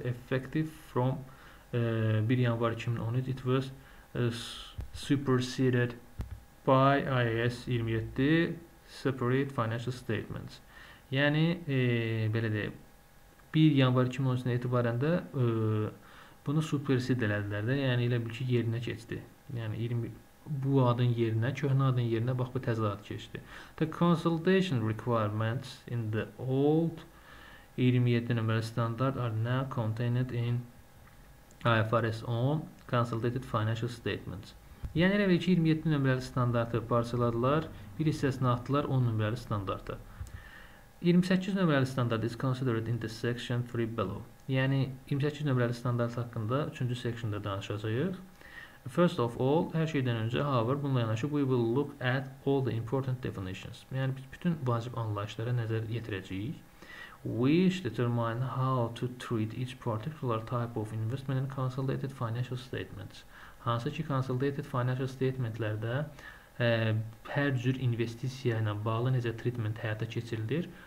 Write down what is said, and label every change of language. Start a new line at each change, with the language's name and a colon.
English: Effective from 1 yanvar 2013 it was superseded by IAS 27 separate financial statements.
Azerbaijani: Yəni belə deyək. 1 yanvar 2013-dən etibarən də bunu supersede elədilər də. Yəni elə bil ki yerinə keçdi. Yəni 20 bu adın yerinə, köhnə adın yerinə bax bu təzə ad keçdi.
English: The consolidation requirements in the old 27 nömrəli standard are now contained in IFRS 10 consolidated financial statements.
Azerbaijani: Yəni elə bil ki 27 nömrəli standartı parçaladılar, bir hissəsini atdılar 10 nömrəli standarta. 28 nömrəli standart
English: is considered in the section 3 below.
Azerbaijani: Yəni 28 nömrəli standart haqqında 3-cü sectionda danışacağıq.
English: First of all,
Azerbaijani: hər şeydən öncə,
English: however,
Azerbaijani: bununla yanaşı,
English: we will look at all the important definitions.
Azerbaijani: Yəni, biz bütün vacib anlayışlara nəzər yetirəcəyik.
English: Which determine how to treat each particular type of investment in consolidated financial statements.
Azerbaijani: Hansı ki, consolidated financial statementlərdə hər cür investisiya ilə bağlı nəzər treatment həyata keçirilir.